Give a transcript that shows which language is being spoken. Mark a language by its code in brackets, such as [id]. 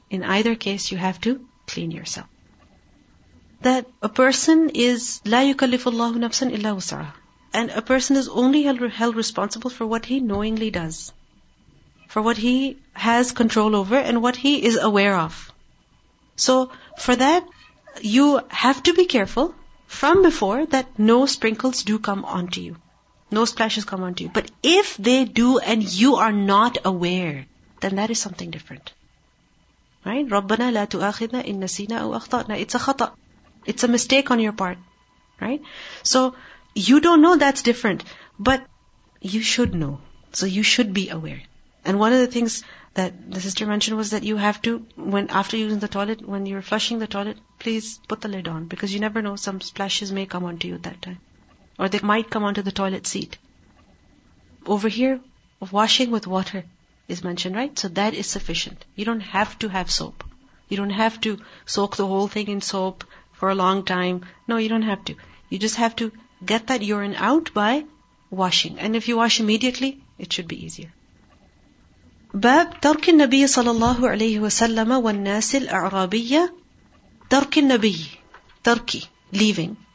[en] In either case you have to clean yourself. That a person is [ar] لا يكلف الله نفسا إلا وسعها, [en] and a person is only held responsible for what he knowingly does, for what he has control over and what he is aware of. So for that you have to be careful from before that no sprinkles do come onto you, no splashes come onto you. But if they do and you are not aware, then that is something different, right? [ar] ربنا لا تؤاخذنا إن نسينا أو أخطأنا. [en] It's a خطأ. It's a mistake on your part, right? So you don't know, that's different. But you should know. So you should be aware. And one of the things that the sister mentioned was that you have to, when after using the toilet, when you're flushing the toilet, please put the lid on. Because you never know, some splashes may come onto you at that time. Or they might come onto the toilet seat. Over here, washing with water is mentioned, right? So that is sufficient. You don't have to have soap. You don't have to soak the whole thing in soap for a long time. No, you don't have to. You just have to get that urine out by washing. And if you wash immediately, it should be easier. [ar] باب ترك النبي صلى الله عليه وسلم والناس الأعرابية ترك النبي تركي [en] leaving.